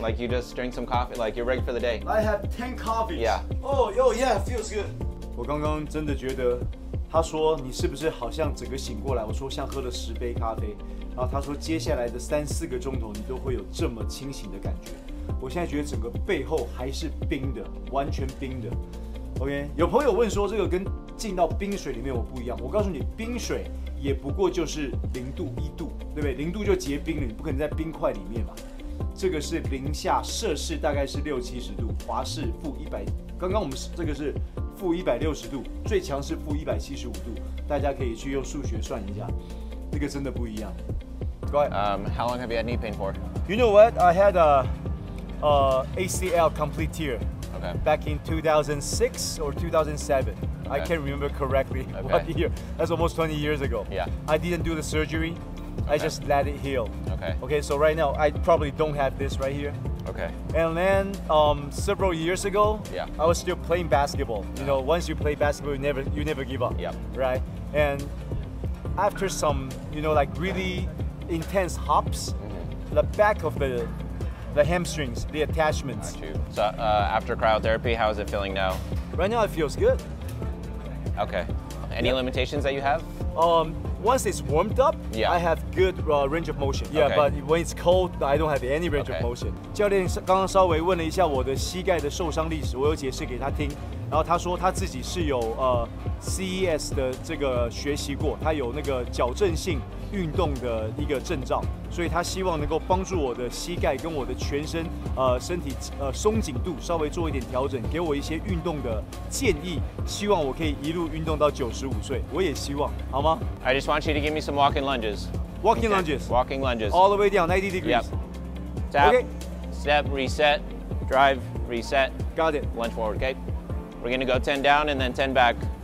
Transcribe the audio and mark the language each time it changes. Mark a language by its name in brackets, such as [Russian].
[English] Like you just drank some coffee, like you're ready for the day. I have 10 coffees. Yeah. Oh, yo, yeah, feels good. [Chinese] 我刚刚真的觉得。他说你是不是好像整个醒过来，我说像喝了十杯咖啡，然后他说接下来的三四个钟头你都会有这么清醒的感觉，我现在觉得整个背后还是冰的，完全冰的。 OK， 有朋友问说这个跟进到冰水里面我不一样，我告诉你，冰水也不过就是零度一度，对不对？零度就结冰了，你不可能在冰块里面嘛。这个是零下摄氏大概是六七十度，华氏负一百，刚刚我们这个是负160度，最强是负175度，大家可以去用数学算一下，这个真的不一样。 [English] Go ahead. How long have you had knee pain for? You know what? I had a ACL complete tear. Okay. Back in 2006 or 2007. Okay. I can't remember correctly. Okay. What year? That's almost 20 years ago. Yeah. I didn't do the surgery. Okay. I just let it heal. Okay. Okay. So right now, I probably don't have this right here. Okay. And then several years ago, yeah. I was still playing basketball. Yeah. You know, once you play basketball, you never give up. Yeah. Right? And after some, you know, like really intense hops, the back of the hamstrings, the attachments. Got you. So after cryotherapy, how is it feeling now? Right now, it feels good. Okay. Any limitations that you have? Once it's warmed up, yeah. I have good range of motion. Yeah, okay. But when it's cold, I don't have any range of motion. [Chinese] 教练刚刚稍微问了一下我的膝盖的受伤历史，我有解释给他听。然后他说他自己是有CES 的这个学习过，他有那个矫正性运动的一个证照，所以他希望能够帮助我的膝盖跟我的全身身体松紧度稍微做一点调整，给我一些运动的建议，希望我可以一路运动到95岁，我也希望，好吗 [English] ？I just want you to give me some walking lunges. Walking lunges. Walking lunges. All the way down 90 degrees. Yep. Tap. Okay. Step. Reset. Drive. Reset. Got it. Lunge forward. Okay.We're gonna go 10 down and then 10 back.